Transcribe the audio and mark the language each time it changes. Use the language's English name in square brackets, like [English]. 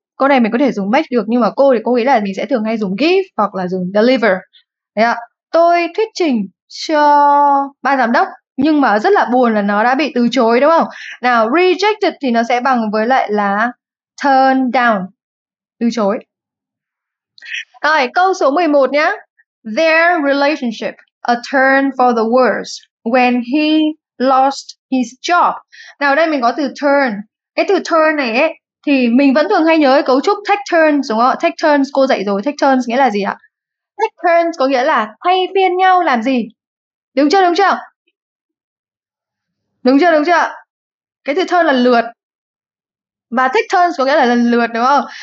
[Vietnamese] Câu này mình có thể dùng make được, nhưng mà cô thì cô nghĩ là mình sẽ thường hay dùng give hoặc là dùng deliver. Được chưa? Tôi thuyết trình cho ban giám đốc nhưng mà rất là buồn là nó đã bị từ chối, đúng không? Nào, rejected thì nó sẽ bằng với lại là [English] turn down, [Vietnamese] từ chối. Rồi, câu số 11 nhé. [English] Their relationship a turn for the worse when he lost his job. [Vietnamese] Nào, đây mình có từ turn. Cái từ turn này ấy thì mình vẫn thường hay nhớ cấu trúc [English] take turns, [Vietnamese] đúng không? [English] Take turns [Vietnamese] cô dạy rồi, take turns nghĩa là gì ạ? Take turns có nghĩa là thay phiên nhau làm gì? Đúng chưa, đúng chưa? Đúng chưa, đúng chưa? Cái từ turn là lượt. Và [English] take turns [Vietnamese] có nghĩa là lần lượt đúng không?